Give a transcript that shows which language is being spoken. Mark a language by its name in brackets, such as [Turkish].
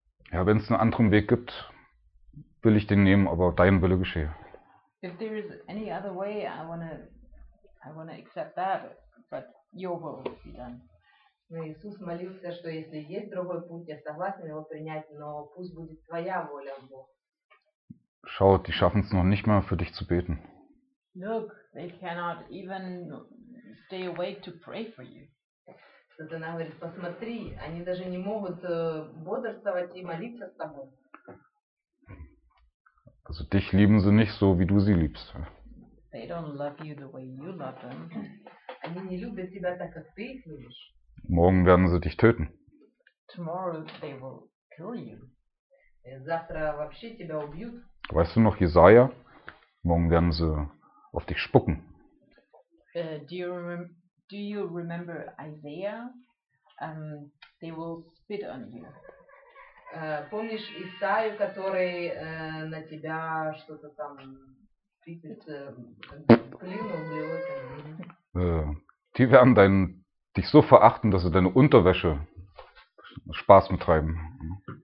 [German] Ja, wenn es einen anderen Weg gibt, will ich den nehmen, aber dein Wille geschehe. [English] If there is any other way, I wanna accept that, but your will be done. [Russian] Но Иисус молился, что если есть другой путь, я согласен его принять, но пусть будет твоя воля, Бог. [German] Schau, die schaffen es noch nicht mal für dich zu beten. [English] Look, they cannot even stay awake to pray for you. [Russian] Сатана говорит, посмотри, они даже не могут бодрствовать и молиться с тобой. [German] Also dich lieben sie nicht so, wie du sie liebst. [English] They don't love you the way you love them. [Russian] Они не любят тебя так, как ты их любишь. [German] Morgen werden sie dich töten. [English] Tomorrow they will kill you. [Russian] Завтра вообще тебя убьют. [German] Weißt du noch Jesaja? Morgen werden sie auf dich spucken. [English] Do you remember Isaiah? They will spit on you. [Russian] Помнишь Исаию, который на тебя что-то там плюнул? [German] Die werden dich so verachten, dass sie deine Unterwäsche Spaß mittreiben.